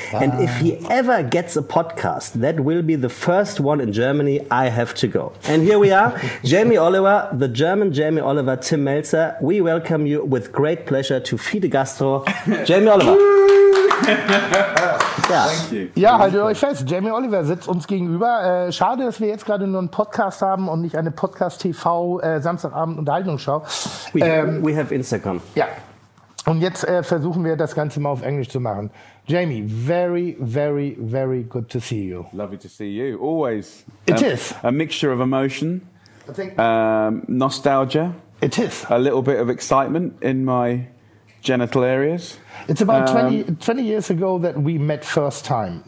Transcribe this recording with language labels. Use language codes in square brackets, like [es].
[en] And if he ever gets a podcast, that will be the first one in Germany I have to go. And here we are, Jamie Oliver, the German Jamie Oliver, Tim Melzer. We welcome you with great pleasure to Fide Gastro, Jamie Oliver. [de] Ja. Ja, haltet euch fest. Jamie Oliver sitzt uns gegenüber. Schade, dass wir jetzt gerade nur einen Podcast haben und nicht eine Podcast-TV Samstagabend-Unterhaltungsshow. [en] We have Instagram. [de] Ja. Und jetzt versuchen wir, das Ganze mal auf Englisch zu machen. [en] Jamie, very, very, very good to see you. Lovely to see you. Always. It is. A mixture of emotion. I think. Nostalgia. It is. A little bit of excitement in my genital areas. It's about 20 years ago that we met first time.